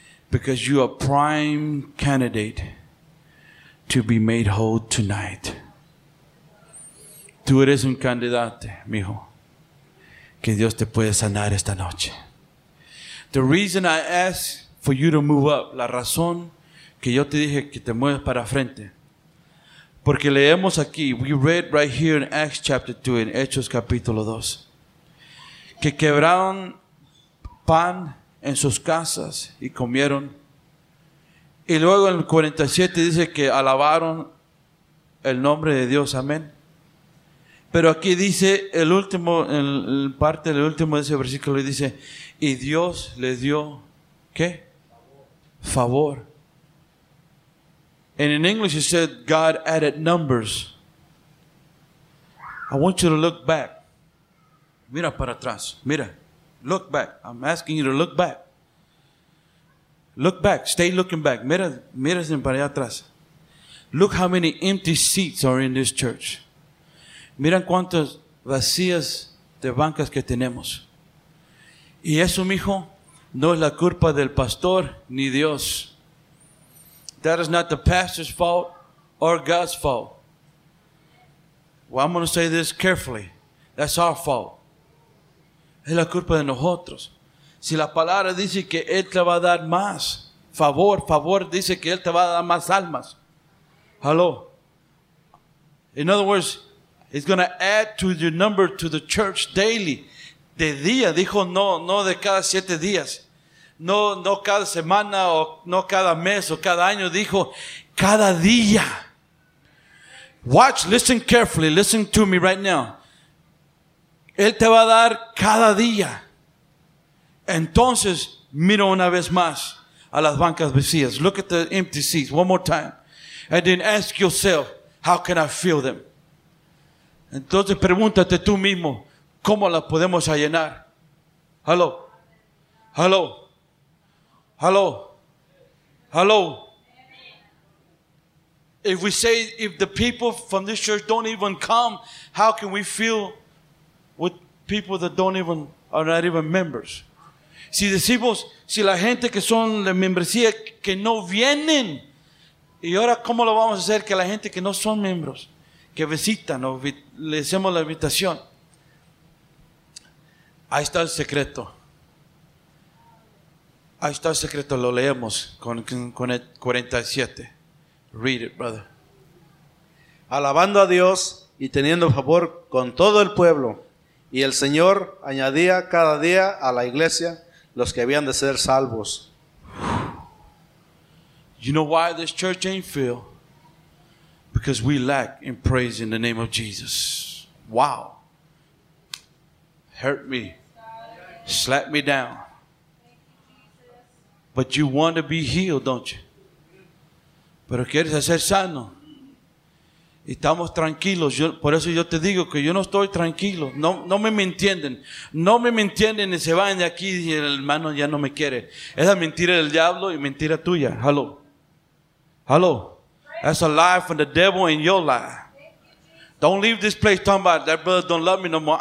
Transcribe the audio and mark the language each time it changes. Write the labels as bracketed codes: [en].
[en] Because you are prime candidate to be made whole tonight. [es] Tú eres un candidato, mijo, que Dios te puede sanar esta noche. [en] The reason I ask for you to move up, [es] la razón que yo te dije que te muevas para frente, porque leemos aquí, [en] we read right here in Acts chapter 2, [es] in Hechos capítulo 2, que quebraron pan en sus casas y comieron. Y luego en el 47 dice que alabaron el nombre de Dios, amén. Pero aquí dice el último, en parte del último de ese versículo, dice, y Dios le dio, ¿qué? Favor. [en] And in English it said, God added numbers. I want you to look back. [es] Mira para atrás. Mira. [en] Look back. I'm asking you to look back. Look back. Stay looking back. [es] Mira, mira para allá atrás. [en] Look how many empty seats are in this church. [es] Mira cuántas vacías de bancas que tenemos. Y eso, mijo, no es la culpa del pastor ni Dios. [en] That is not the pastor's fault or God's fault. Well, I'm going to say this carefully. That's our fault. [es] Es la culpa de nosotros. Si la palabra dice que Él te va a dar más favor, favor dice que Él te va a dar más almas. [en] Hello. In other words, He's going to add to your number to the church daily. [es] De día, dijo no de cada siete días. No cada semana o no cada mes o cada año, dijo cada día. [en] Watch, listen carefully, listen to me right now. [es] Él te va a dar cada día. Entonces, mira una vez más a las bancas vacías. [en] Look at the empty seats one more time. And then ask yourself, how can I fill them? [es] Entonces, pregúntate tú mismo, ¿cómo las podemos llenar? [en] Hello. Hello. Hello. Hello. If we say, if the people from this church don't even come, how can we fill with people that don't even, are not even members? [es] Si decimos, si la gente que son de membresía que no vienen, y ahora cómo lo vamos a hacer que la gente que no son miembros, que visitan o le hacemos la invitación. Ahí está el secreto. Ahí está el secreto, lo leemos con el 47. [en] Read it, brother. [es] Alabando a Dios y teniendo favor con todo el pueblo. Y el Señor añadía cada día a la iglesia los que habían de ser salvos. [en] You know why this church ain't filled? Because we lack in praise in the name of Jesus. Wow. Hurt me. Slap me down. But you want to be healed, don't you? [es] Pero quieres ser sano. Estamos tranquilos. Yo, por eso yo te digo que yo no estoy tranquilo. No, no me entienden. No me entienden y se van de aquí y el hermano ya no me quiere. Esa mentira del diablo y mentira tuya. Hello. Hello. [en] That's a lie from the devil in your life. Don't leave this place talking about that brother don't love me no more.